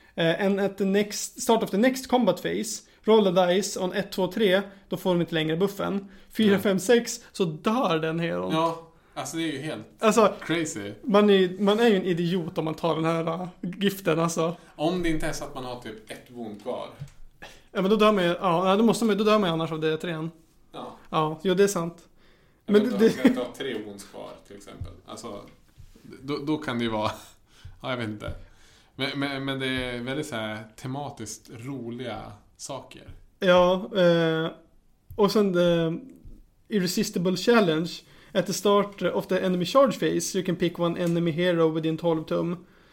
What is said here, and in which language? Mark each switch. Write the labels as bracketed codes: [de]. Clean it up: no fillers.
[en] And at the next start of the next combat phase, roll the dice on 1, 2, 3. [sv] Då får de inte längre buffen. 4, 5, 6, så dör den hero. Ja, alltså det är ju helt alltså, [en] crazy. [sv] Man är ju en idiot om man tar den här giften. Alltså. Om det inte är så att man har typ ett wound kvar. Ja, men då dör man ju, ja, då dör man ju annars av D3-en. Ja. Ja, det är sant. Ja, men då kan du ha 3 wounds kvar, till exempel. Alltså, då kan det ju vara... Ja, jag vet inte. Men det är väldigt så här tematiskt roliga saker. Ja, och sen [en] the irresistible challenge. At the start of the enemy charge phase, you can pick one enemy hero within 12 tum.